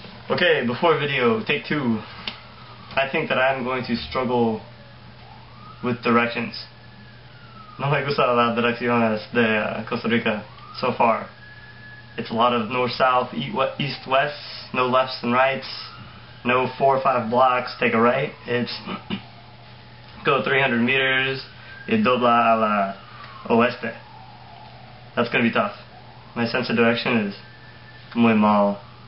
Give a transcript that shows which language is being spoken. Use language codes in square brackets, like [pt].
[en] Okay, before video, take two. I think that I'm going to struggle with directions. [es] No me gusta la dirección de Costa Rica [en] so far. It's a lot of north, south, east, west, no lefts and rights, no four or five blocks, take a right. It's go 300 meters [es] y dobla a la oeste. [en] That's gonna be tough. My sense of direction is [es] muy mal.